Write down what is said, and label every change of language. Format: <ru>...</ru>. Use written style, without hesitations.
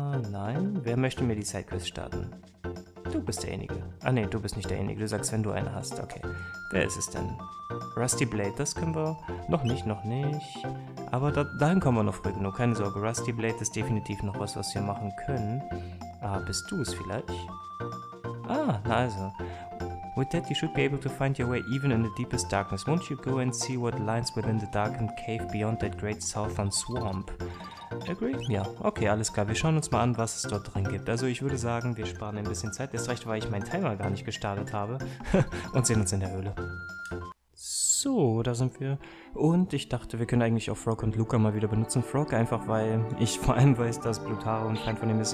<de>Nein. Wer möchte mir die Sidequest starten? Du bist derjenige. Ah ne, du bist nicht derjenige. Du sagst, wenn du eine hast. Okay. Wer ist es denn? Rusty Blade, das können wir noch nicht. Aber dahin kommen wir noch früh genug. Keine Sorge, Rusty Blade ist definitiv noch was wir machen können. Ah, bist du es vielleicht? Ah, na also.</de> <en>With that you should be able to find your way even in the deepest darkness. Won't you go and see what lies within the darkened cave beyond that great southern swamp? Agree?</en> <de>Ja, okay, alles klar. Wir schauen uns mal an, was es dort drin gibt. Also ich würde sagen, wir sparen ein bisschen Zeit. Erst recht, weil ich meinen Timer gar nicht gestartet habe. Und sehen uns in der Höhle. So, da sind wir. Und ich dachte, wir können eigentlich auch Frog und Luca mal wieder benutzen. Frog einfach, weil ich vor allem weiß, dass Blutaro ein Feind von ihm ist.</de>